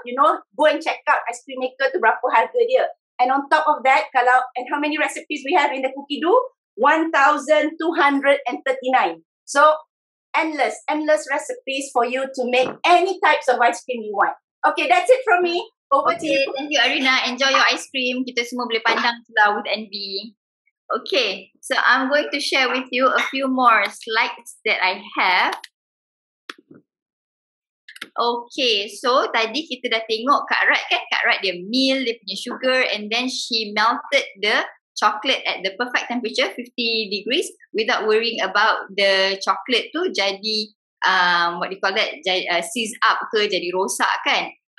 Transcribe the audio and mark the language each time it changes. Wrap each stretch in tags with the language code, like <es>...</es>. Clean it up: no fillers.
<en>You know, go and check out ice cream maker</en> <ms>tu berapa harga dia.</ms> <en>And on top of that, kalau and how many recipes we have in the cookie do? 1,239. So, endless recipes for you to make any types of ice cream you want. Okay, that's it from me. Over to you. Thank you, Arina. Enjoy your ice cream.</en> <ms>Kita semua boleh pandang lah</ms> <en>with envy. Okay, so I'm going to share with you a few more slides that I have.</en> <ms>Okay, so tadi kita dah tengok Kak Rat kan?</ms> <en>Kak Rat dia meal,</en> <ms>dia punya</ms> <en>sugar and then she melted the chocolate at the perfect temperature, 50 degrees without worrying about the chocolate</en> <ms>tu jadi,</ms> <en>what do you call that, seize up</en> <ms>ke, jadi rosak kan?</ms>